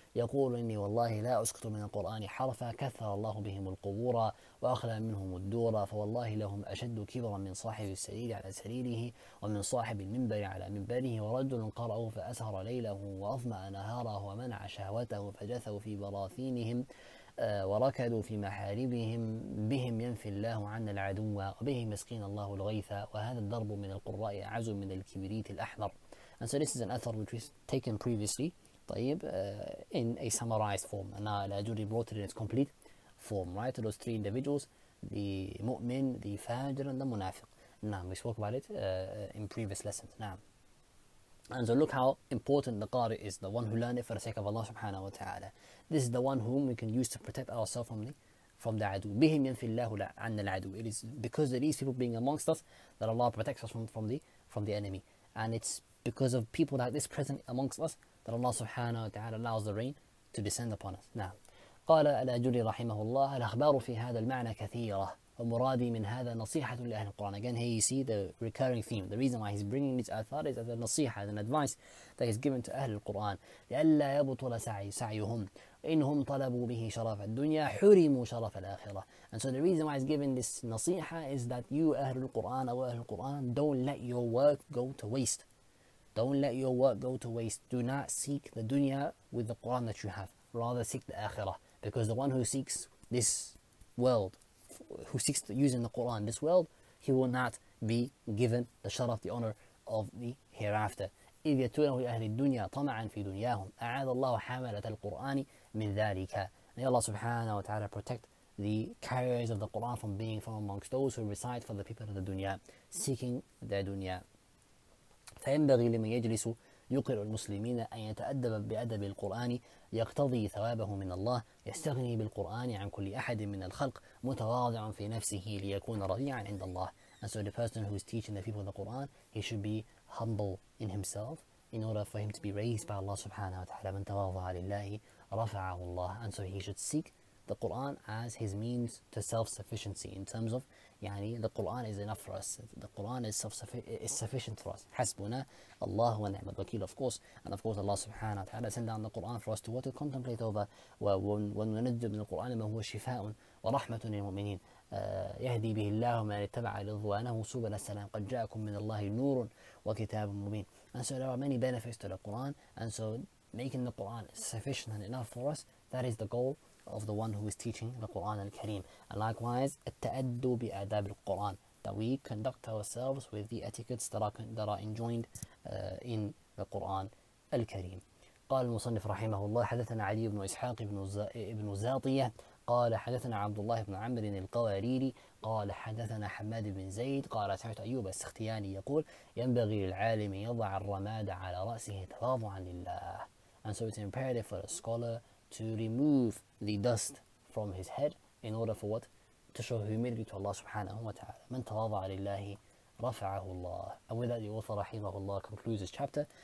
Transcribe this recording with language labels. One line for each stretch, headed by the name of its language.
Arabic: يقول إني والله لا أسكت من القرآن حرفا كثر الله بهم القبور وأخلى منهم الدور فوالله لهم أشد كبرا من صاحب السرير على سريره ومن صاحب المنبر على منبره ورجل قرأه فأسهر ليله وأظمأ نهاره ومنع شهوته فجثوا في براثينهم وركضوا في محاربهم بهم ينفي الله عنا العدو وبهم يسقين الله الغيث وهذا الضرب من القراء أعز من الكبريت الأحمر.
English: And so this is an author which was taken previously,
Arabic: طيب,
English: in a summarized form. And now Al-Ajuri brought it in its complete form, right? Those three individuals, the mu'min, the fajr, and the munafiq. Now, we spoke about it in previous lessons. Now, and so look how important the qari is, the one who learned it for the sake of Allah subhanahu wa ta'ala. This is the one whom we can use to protect ourselves from the from the adu. Bihim yanfillahu anna al-adu. It is because of these people being amongst us that Allah protects us from the enemy. And it's because of people like this present amongst us that Allah subhanahu wa ta'ala allows the rain to descend upon us.
Arabic: Now, قال الأجري رحمه الله الأخبار في هذا المعنى كثيرة ومرادي من هذا نصيحة لأهل القرآن.
English: Again, here you see the recurring theme. The reason why he's bringing this athar is as a nasiha, as an advice that is given to أهل القرآن.
Arabic: لألا يبطل سعيهم إنهم طلبوا به شرف الدنيا حرموا شرف الآخرة.
English: And so the reason why he's giving this nasiha is that you
Arabic: أهل القرآن أو أهل القرآن,
English: don't let your work go to waste. Don't let your work go to waste. Do not seek the dunya with the Quran that you have. Rather seek the akhirah. Because the one who seeks this world, who seeks to use in the Quran this world, he will not be given the sharaf, the honor of the hereafter.
Arabic: إِذْ يَتُونَهُ لِأَهْلِ الدُّنْيَا طَمَعًا فِي دُنْيَاهُمْ أَعَاذَ اللَّهُ حَمَلَةَ الْقُرْآنِ مِنْ ذَلِكَ.
English: May Allah subhanahu wa ta'ala protect the carriers of the Quran from being from amongst those who recite for the people of the dunya, seeking their dunya.
Arabic: فَيَنْبَغِي لِمَنْ يَجْلِسُ يقر المسلمين أن يتأدب بأدب القرآن يقتضي ثوابه من الله يستغني بالقرآن عن كل أحد من الخلق متواضع في نفسه ليكون رضيعا عند الله.
English: And so the person who is teaching the people the Quran, he should be humble in himself in order for him to be raised by Allah subhanahu wa ta'ala.
Arabic: من تواضع لله رفعه الله.
English: And so he should seek the Quran as his means to self-sufficiency in terms of, يعني, the Quran is enough for us. The Quran is sufficient for us.
Arabic: حسبنا الله ونعم الوكيل,
English: of course. And of course, Allah subhanahu wa ta'ala sent down the Quran for us to what to contemplate over.
Arabic: وننجو من القرآن ما هو شفاء ورحمة للمؤمنين. يهدي به الله من اتبع رضوانه سبل السلام قد جاءكم من الله نور وكتاب مبين.
English: And so there are many benefits to the Quran. And so making the Quran sufficient and enough for us, that is the goal of the one who is teaching the Quran al-Kareem. And likewise,
Arabic: التأدو بأداب القرآن,
English: that we conduct ourselves with the etiquettes that are enjoined in the Quran al-Kareem.
Arabic: قال المصنف رحمه الله حدثنا علي بن إسحاق بن زاطية قال حدثنا عبد الله بن عمرو القواريري قال حدثنا حماد بن زيد قال سمعت أيوب السختياني يقول ينبغي للعالم يضع الرماد على رأسه تواضعا لله.
English: And so it's imperative for a scholar to remove the dust from his head in order for what? To show humility to Allah subhanahu wa ta'ala.
Arabic: من تواضع لله رفعه الله.
English: And with that, the author رحمه الله concludes his chapter.